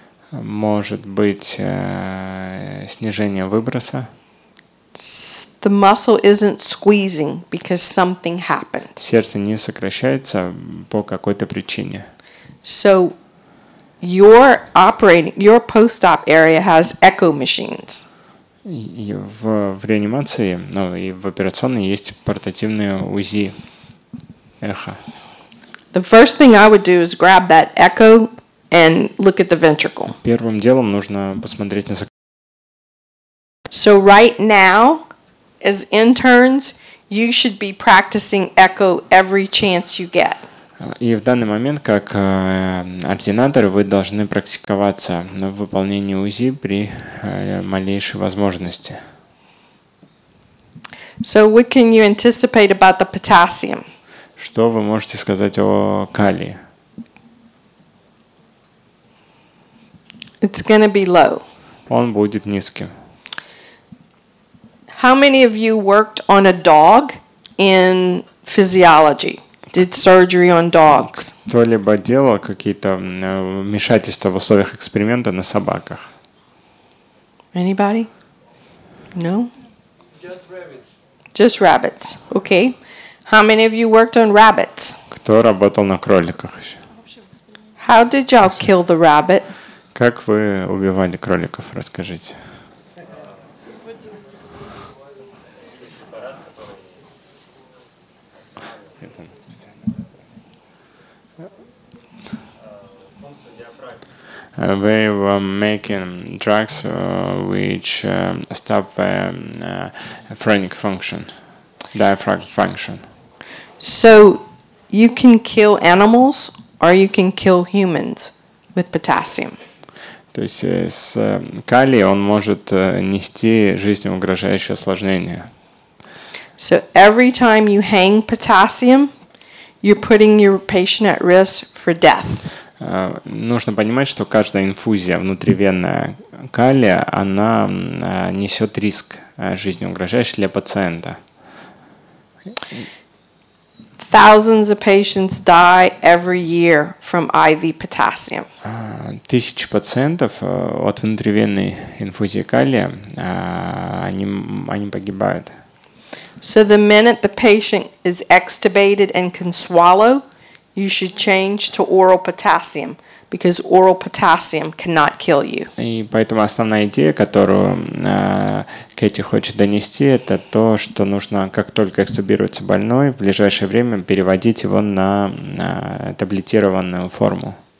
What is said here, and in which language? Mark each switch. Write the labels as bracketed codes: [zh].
[ru] Может быть снижение выброса. [en] The muscle isn't squeezing because something happened. [ru] Сердце не сокращается по какой-то причине. [en] So your operating, your post-op area has echo machines. [ru] В реанимации, ну и в операционной есть портативные УЗИ эхо. [en] The first thing I would do is grab that echo and look at the ventricle. [ru] Первым делом нужно посмотреть на закрытие. [en] So right now, as interns, you should be practicing echo every chance you get. [ru] И в данный момент, как ординатор, вы должны практиковаться на выполнении УЗИ при малейшей возможности. [en] So what can you anticipate about the potassium? [ru] Что вы можете сказать о калии? [en] It's gonna be low. [ru] Он будет низким. [en] How many of you worked on a dog in physiology? did surgery on dogs. [ru] Кто-либо делал какие-то вмешательства в условиях эксперимента на собаках? [en] Anybody? No? Just rabbits. Just rabbits. Okay. How many of you worked on rabbits? [ru] Кто работал на кроликах еще? [en] How did y'all kill the rabbit? [ru] Как вы убивали кроликов? Расскажите. [en] We were making drugs which stop phrenic function, diaphragm function. So you can kill animals or you can kill humans with potassium. [ru] То есть с калием он может нести жизнеугрожающее осложнение. [en] So every time you hang potassium, you're putting your patient at risk for death. [ru] Нужно понимать, что каждая инфузия внутривенная калия, она несет риск жизнеугрожающий для пациента. [en] Thousands of patients die every year from IV potassium. [ru] Тысячи пациентов от внутривенной инфузии калия, они погибают. [en] So the minute the patient is extubated and can swallow, you should change to oral potassium, because oral potassium cannot kill you. [ru] И поэтому основная идея, которую Кэти хочет донести, это то, что нужно, как только экстубируется больной, в ближайшее время переводить его на таблетированную форму.